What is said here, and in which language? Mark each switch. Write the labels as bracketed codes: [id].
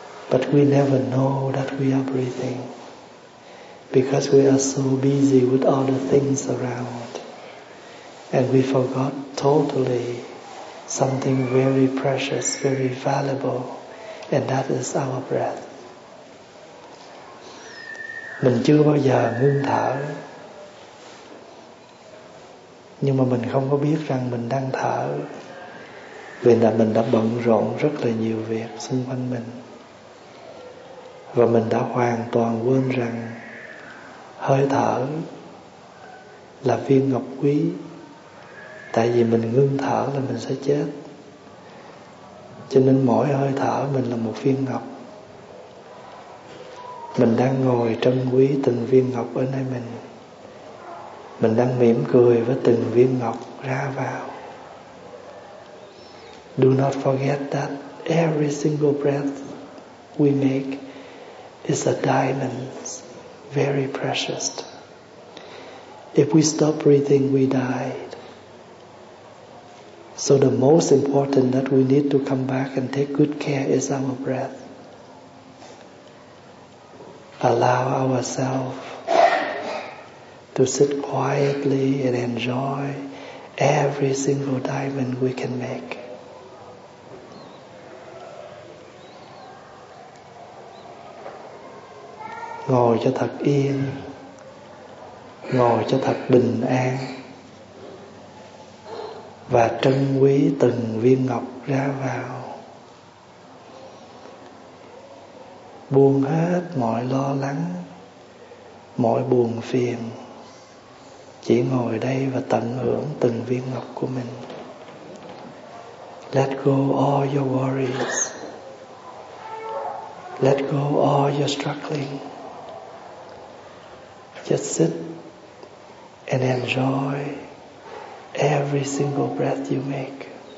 [en] But we never know that we are breathing because we are so busy with all the things around and we forgot totally something very precious, very valuable, and that is our breath. [vi] Mình chưa bao giờ ngưng thở, nhưng mà mình không có biết rằng mình đang thở vì là mình đã bận rộn rất là nhiều việc xung quanh mình. Và mình đã hoàn toàn quên rằng hơi thở là viên ngọc quý. Tại vì mình ngưng thở là mình sẽ chết. Cho nên mỗi hơi thở mình là một viên ngọc. Mình đang ngồi trân quý từng viên ngọc ở nơi mình. Mình đang mỉm cười với từng viên ngọc ra vào. [en] Do not forget that every single breath we make, it's a diamond, very precious. If we stop breathing, we died. So the most important that we need to come back and take good care is our breath. Allow ourselves to sit quietly and enjoy every single diamond we can make. [vi] Ngồi cho thật yên, ngồi cho thật bình an và trân quý từng viên ngọc ra vào. Buông hết mọi lo lắng, mọi buồn phiền, chỉ ngồi đây và tận hưởng từng viên ngọc của mình. [en] Let go all your worries, let go all your struggling. Just sit and enjoy every single breath you make.